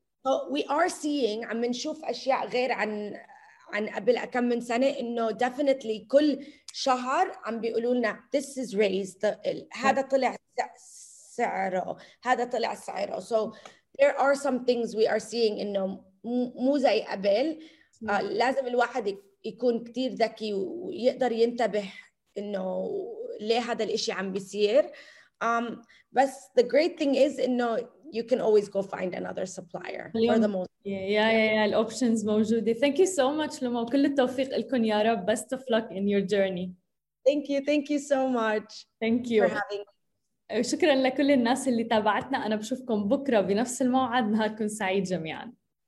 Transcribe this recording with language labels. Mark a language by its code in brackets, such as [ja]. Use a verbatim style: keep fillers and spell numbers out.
[en] So we are seeing [ar] عم نشوف أشياء غير عن عن قبل كم من سنة إنه definitely كل شهر عم بيقولوا لنا [en] this is raised [ar] هذا طلع سعره هذا طلع سعره [en] so there are some things we are seeing [ar] إنه مو زي قبل. uh, لازم الواحد يكون كتير ذكي ويقدر ينتبه إنه ليه هذا الإشي عم بيصير. [en] um, بس the great thing is إنه you can always go find another supplier for the most. Yeah, yeah, yeah, yeah. [ar] الoptions موجودة. [en] Thank you so much [ar] لما وكل التوفيق لكم يا رب. [en] Best of luck in your journey. Thank you, thank you so much. Thank you for having me. [ar] شكراً لكل الناس اللي تابعتنا. أنا بشوفكم بكرة بنفس الموعد. نهاركم سعيد جميعاً.